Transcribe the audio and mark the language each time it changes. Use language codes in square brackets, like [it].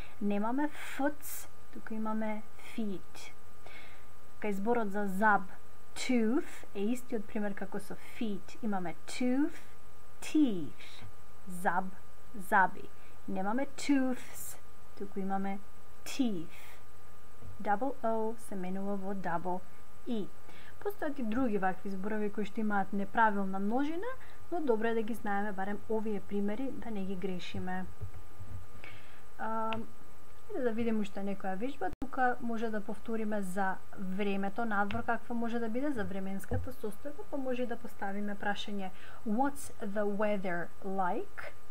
[mk] Немаме foots, туку имаме feet. Кај зборот за зуб, tooth, е истиот пример како со feet. Имаме tooth, teeth, зуб, зуби. Немаме tooths, туку имаме teeth. Double O се менува во double E. Постојат и други вакви зборови кои што имаат неправилна множина, но добро е да ги знаеме барем овие примери, да не ги грешиме. Да видиме уште некоја вежба. Тука може да повториме за времето, надвор какво може да биде за временската состојба, па може да поставиме прашање [en] What's the weather like?